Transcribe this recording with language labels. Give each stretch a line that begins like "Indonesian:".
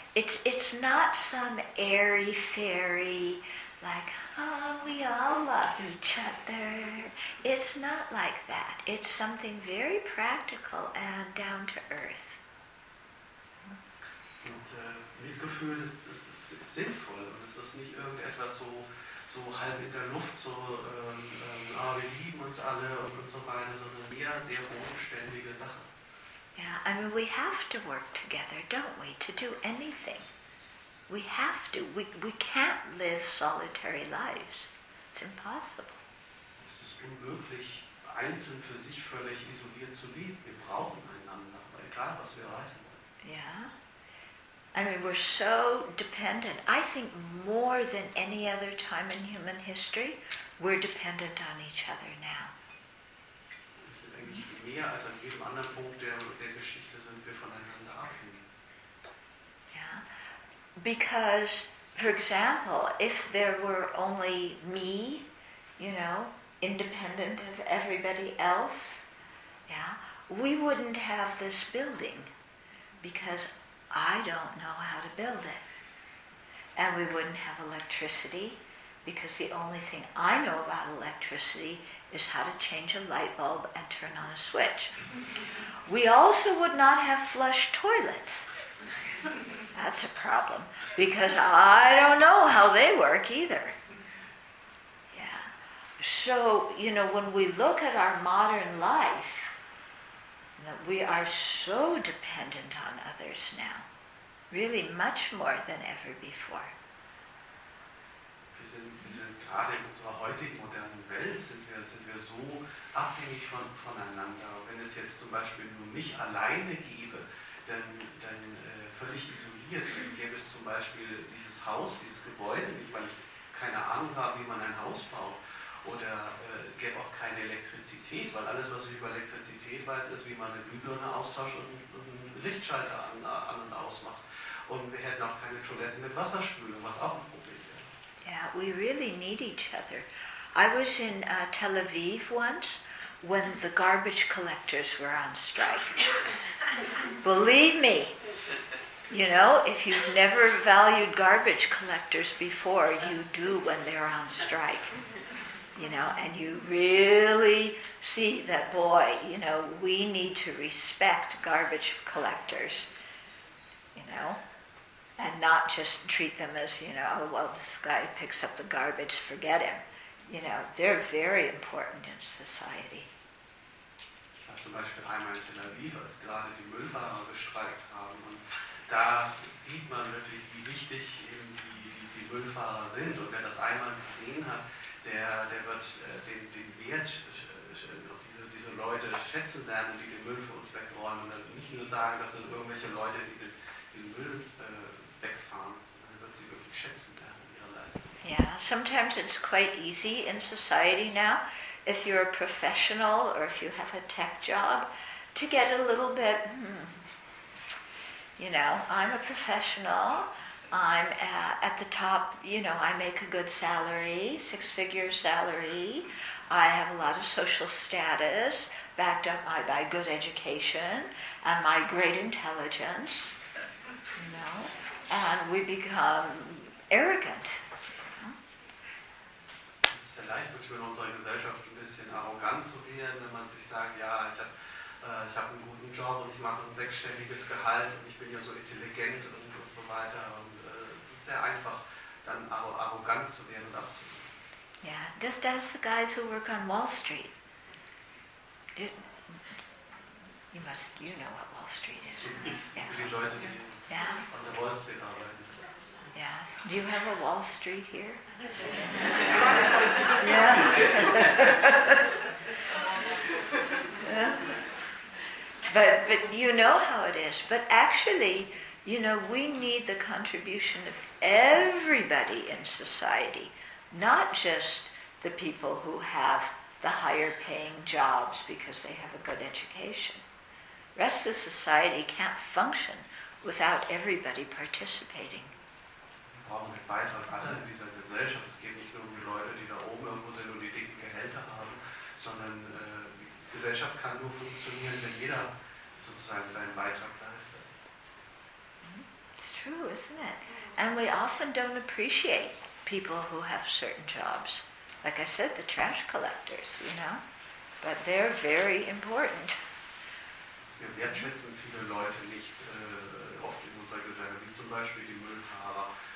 English: It's not some airy fairy, like, oh, we all love each other. It's not like that. It's something very practical and down to earth.
German: Und Mitgefühl ist sinnvoll, und es ist nicht irgendetwas so halb in der Luft, so wir lieben uns alle und so weiter, sondern eher sehr bodenständige Sachen.
English: Yeah, I mean, we have to work together, don't we, to do anything. We have to. We can't live solitary lives. It's impossible.
German: Es ist unmöglich, einzeln für sich völlig isoliert zu leben. Wir brauchen einander, egal was wir erreichen wollen.
English: Yeah. I mean, we're so dependent. I think more than any other time in human history, we're dependent on each other now.
German: Mehr als an jedem anderen Punkt der Geschichte sind wir voneinander abhängig.
English: Yeah. Because, for example, if there were only me, you know, independent of everybody else, yeah, we wouldn't have this building, because I don't know how to build it. And we wouldn't have electricity, because the only thing I know about electricity is how to change a light bulb and turn on a switch. We also would not have flush toilets. That's a problem, because I don't know how they work either. Yeah. So, you know, when we look at our modern life, that we are so dependent on others now, really much more than ever before.
German: wir sind gerade in unserer heutigen modernen Welt, sind wir so abhängig voneinander. Wenn es jetzt zum Beispiel nur mich alleine gäbe, dann völlig isoliert, dann gäbe es zum Beispiel dieses Haus, dieses Gebäude nicht, weil ich keine Ahnung habe, wie man ein Haus baut. Oder es gäbe auch keine Elektrizität, weil alles, was ich über Elektrizität weiß, ist, wie man eine Glühbirne austauscht und einen Lichtschalter an und ausmacht. Und wir hätten auch keine Toiletten mit Wasserspülung, was auch ein Problem wäre.
English: Yeah, we really need each other. I was in Tel Aviv once, when the garbage collectors were on strike. Believe me. You know, if you've never valued garbage collectors before, you do when they're on strike. You know, and you really see that, boy, you know, we need to respect garbage collectors, you know, and not just treat them as, you know, oh, well, this guy picks up the garbage, forget him. You know, they're very important in society.
German: Ich war zum Beispiel einmal in Tel Aviv, als gerade die Müllfahrer gestreikt haben. Und da sieht man wirklich, wie wichtig eben die Müllfahrer sind. Und wer das einmal gesehen hat, der wird den Wert, diese Leute schätzen lernen, die den Müll für uns wegräumen. Und dann nicht nur sagen, das sind irgendwelche Leute, die den Müll wegfahren, sondern wird sie wirklich schätzen lernen, ihre Leistung.
English: Yeah, sometimes it's quite easy in society now, if you're a professional or if you have a tech job, to get a little bit, you know, I'm a professional, I'm at the top, you know, I make a good salary, six-figure salary, I have a lot of social status, backed up by good education and my great intelligence, you know, and we become arrogant.
German: Vielleicht wird in unserer Gesellschaft ein bisschen arrogant zu werden, wenn man sich sagt, ja, ich hab einen guten Job und ich mache ein sechsstelliges Gehalt und ich bin ja so intelligent und so weiter. Und es ist sehr einfach, dann arrogant zu werden und abzugeben.
English: Yeah, just ask the guys who work on Wall Street. You know what Wall Street is. Yeah.
German: Für die Leute, die an der Wall Street arbeiten.
English: Yeah. Do you have a Wall Street here? Yes. Yeah. Yeah. But you know how it is. But actually, you know, we need the contribution of everybody in society, not just the people who have the higher paying jobs because they have a good education. The rest of society can't function without everybody participating.
German: Wir brauchen den Beitrag aller in dieser Gesellschaft. Es geht nicht nur um die Leute, die da oben irgendwo sind und die dicken Gehälter haben, sondern die Gesellschaft kann nur funktionieren, wenn jeder sozusagen seinen Beitrag leistet.
English: It's true, isn't it? And we often don't appreciate people who have certain jobs. Like I said, the trash collectors, you know? But they're very important.
German: Wir wertschätzen viele Leute nicht oft in unserer Gesellschaft, wie zum Beispiel die Müllfahrer.